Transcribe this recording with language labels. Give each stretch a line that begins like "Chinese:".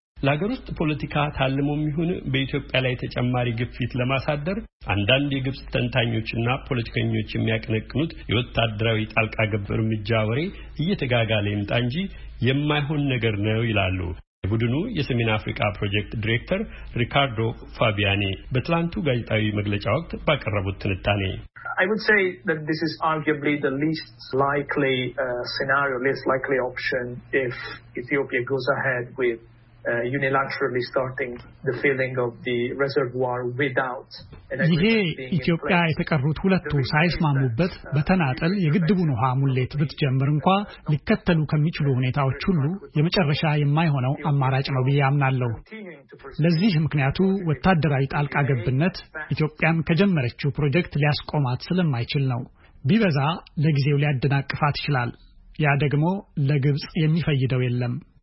Amharic: ለሀገር ውስጥ ፖለቲካ ታልሞም ይሁን በኢትዮጵያ ላይ ተጨማሪ ግፊት ለማሳደር አንዳንድ የግብጽ ተንታኞችና ፖለቲከኞች የሚያቀነቅኑት የወታደራዊ ጣልቃ ገብ እርምጃ ወሬ እየተጋጋለ ይምጣ እንጂ የማይሆን ነገር ነው ይላሉ። ቡድኑ የሰሜን አፍሪካ ፕሮጀክት ዲሬክተር ሪካርዶ ፋቢያኒ በትላንቱ ጋዜጣዊ መግለጫ ወቅት ባቀረቡት ትንታኔ
English: I would say that this is arguably the least likely scenario, least likely option if Ethiopia goes ahead with unilaterally starting the filling of the reservoir without an agreement.
Amharic: ኢትዮጵያ የተቀሩት ሁለቱ ሳይስማሙበት በተናጠል የግድቡን ውሃ ሙሌት ብትጀምር እንኳን ሊከተሉ ከሚችሉ ሁኔታዎች ሁሉ የመጨረሻ የማይሆነው አማራጭ ነው ብዬ አምናለሁ። ለዚህ ምክንያቱ ወታደራዊ ጣልቃ ገብነት ኢትዮጵያም ከጀመረችው ፕሮጀክት ሊያስቆማት ስለማይችል ነው። ቢበዛ ለጊዜው ሊያደናቅፋት ይችላል። ያ ደግሞ ለግብጽ የሚፈይደው የለም።